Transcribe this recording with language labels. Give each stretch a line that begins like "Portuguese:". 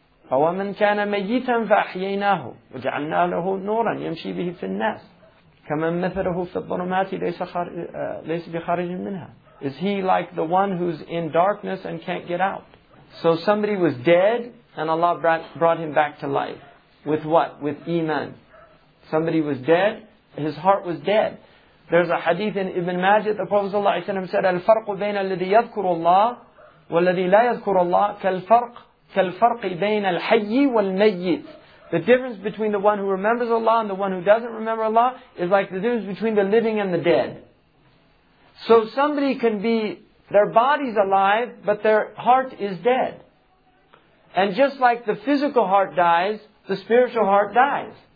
Arabic: فَوَمَنْ كَانَ مَيِّتًا فَأَحْيَيْنَاهُ وَجَعَلْنَا لَهُ نُورًا يَمْشِي بِهِ فِي النَّاسِ كَمَنْ مَثَلَهُ فِي الظُّلُمَاتِ لَيْسَ بِخَارِجٍ مِنْهَا.
English: Is he like the one who's in darkness and can't get out? So somebody was dead and Allah brought him back to life. With what? With iman. Somebody was dead, his heart was dead. There's a hadith in Ibn Majah, the Prophet ﷺ said,
Arabic: الْفَرْقُ بَيْنَ الَّذِي يَذْكُرُ اللَّهِ وَالَّذِي لَا يَذْكُرُ اللَّهِ كَالْفَرْقِ بَيْنَ الْحَيِّ وَالْمَيِّتِ.
English: The difference between the one who remembers Allah and the one who doesn't remember Allah is like the difference between the living and the dead. So somebody can be, their body's alive, but their heart is dead. And just like the physical heart dies, the spiritual heart dies.